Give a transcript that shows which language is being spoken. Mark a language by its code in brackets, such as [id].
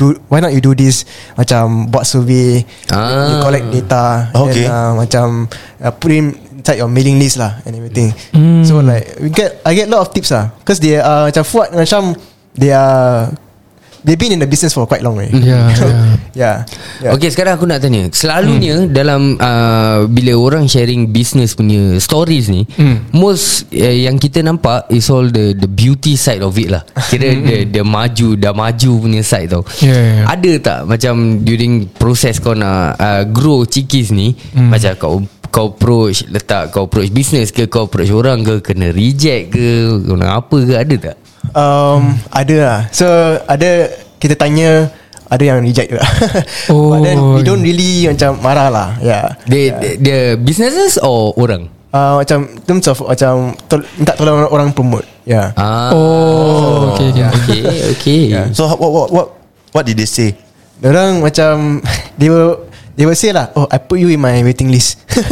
[en] Why not you do this macam buat survey, you collect data, okay, then macam put in inside your mailing list lah and everything." So like I get a lot of tips lah, cause they macam Fuad dengan Syam, they've been in the business for quite long, right? Yeah. [ms] Okay, sekarang aku nak tanya. Selalunya dalam bila orang [en] sharing business punya stories ni, most [ms] yang kita nampak [en] is all the beauty side of it lah. [ms] Kira the maju, dah maju punya side tau. [en] Yeah. [ms] Ada tak macam [en] during proses [ms] kau nak grow Chikis ni, macam kau approach business ke, kau approach orang ke, kena reject ke, kena apa ke, ada tak? Ada lah. So ada, kita tanya, ada yang reject juga. Oh. [en] But then we don't really [ms] macam marah lah. [en] The businesses or orang? [ms] Macam [en] in terms of [ms] macam minta tolong orang promote. [en] So what did they say? [ms] Orang macam [en] They will say lah, "Oh, I put you in my waiting list."